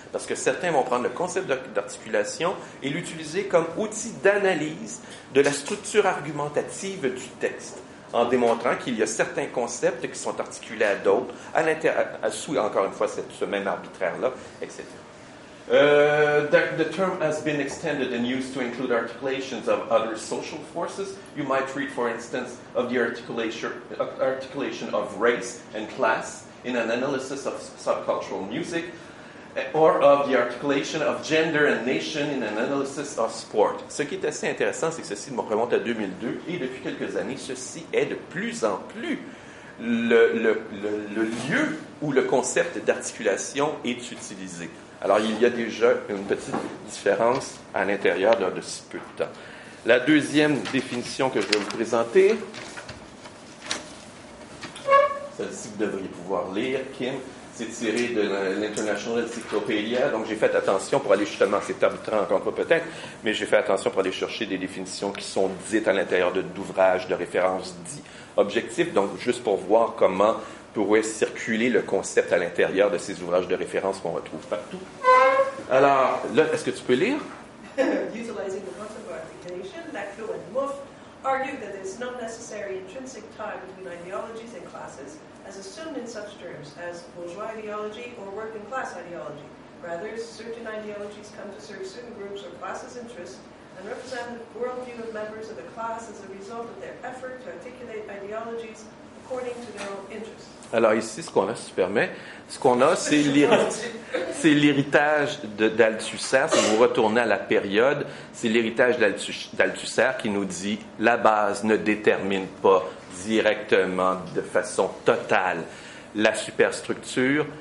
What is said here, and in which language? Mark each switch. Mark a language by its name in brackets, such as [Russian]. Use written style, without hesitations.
[French] Parce que certains vont prendre le concept d'articulation et l'utiliser comme outil d'analyse de la structure argumentative du texte, en démontrant qu'il y a certains concepts qui sont articulés à d'autres, sous, encore une fois, ce même arbitraire-là, etc. [English] The term has been extended and used to include articulations of other social forces. You might read, for instance, of the articulation of race and class in an analysis of subcultural music, or of the articulation of gender and nation in an analysis of sport. [French] Ce qui est assez intéressant, c'est que ceci me remonte à 2002, et depuis quelques années, ceci est de plus en plus le lieu où le concept d'articulation est utilisé. Alors, il y a déjà une petite différence à l'intérieur de si peu de temps. La deuxième définition que je vais vous présenter, celle-ci vous devriez pouvoir lire, Kim, c'est tiré de l'International Encyclopedia. Donc, j'ai fait attention pour aller justement, c'est arbitrant encore pas peut-être, mais j'ai fait attention pour aller chercher des définitions qui sont dites à l'intérieur d'ouvrages de référence dits objectifs. Donc, juste pour voir comment pourrait circuler le concept à l'intérieur de ces ouvrages de référence qu'on retrouve partout. Alors, là, est-ce que tu peux lire? [English] Utilizing the concept of articulation, Laclau and Mouffe argue that there is not necessary intrinsic tie between ideologies and classes as assumed in such terms as bourgeois ideology or working class ideology. Rather, certain ideologies come to serve certain groups or classes' interests and represent the worldview of members of the class as a result of their effort to articulate ideologies according to their own interests. [French] Alors ici, ce qu'on a, si tu permets, c'est l'héritage d'Althusser. Si vous retournez à la période, c'est l'héritage d'Althusser qui nous dit « La base ne détermine pas directement, de façon totale, la superstructure.